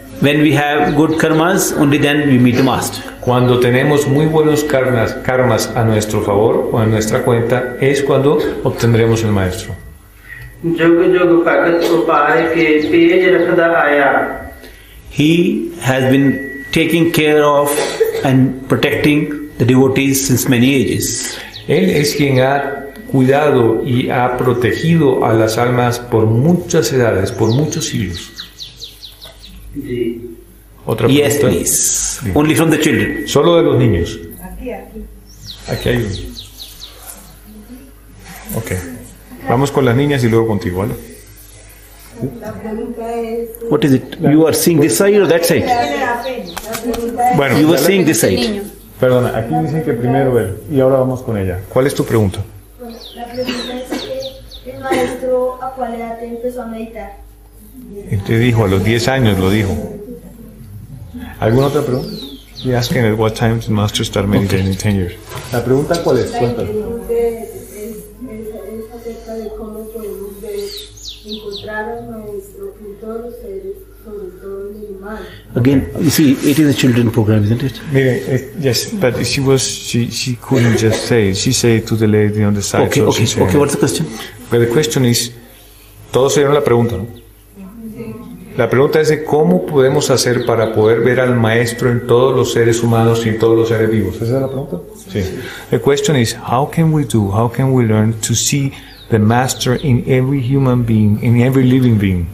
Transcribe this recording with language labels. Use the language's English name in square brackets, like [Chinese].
[English] When we have good karmas, only then we meet the master. [Spanish] Cuando tenemos muy buenos karmas a nuestro favor o a nuestra cuenta, es cuando obtendremos el maestro. [Punjabi] Yog yog bhagat upaay ke tej rakhda aaya. [English] He has been taking care of and protecting the devotees since many ages. [Spanish] Él es quien ha cuidado y ha protegido a las almas por muchas edades, por muchos siglos. [English] ¿Otra yes, please. Sí. Only from the children. [Spanish] Solo de los niños. Aquí hay uno. [English] Okay. [Spanish] Vamos con las niñas y luego contigo, ¿vale? [English] What is it? You are seeing this side or that side? [Spanish] Bueno, [English] you are seeing this side. [Spanish] Perdona, aquí dicen que primero ver y ahora vamos con ella. ¿Cuál es tu pregunta? La pregunta es que el maestro a cuál edad te empezó a meditar. Él te dijo, a los 10 años lo dijo. ¿Alguna otra pregunta? [English] He asking at what time the master started meditating in 10 years. [Spanish] ¿La pregunta cuál es? Cuéntanos. La pregunta es acerca de cómo podemos encontrar a nuestros futuros seres, sobre todo en el humano. [English] Again, you see, it is a children program, isn't it? Mire, yes, but she was, she couldn't just say it. She said it to the lady on the side. Okay, so okay, okay, what's the question? But the question is, [Spanish] todos oyeron la pregunta, ¿no? La pregunta es de cómo podemos hacer para poder ver al maestro en todos los seres humanos y en todos los seres vivos. ¿Esa es la pregunta? Sí. [English] The question is, how can we do, how can we learn to see the master in every human being, in every living being?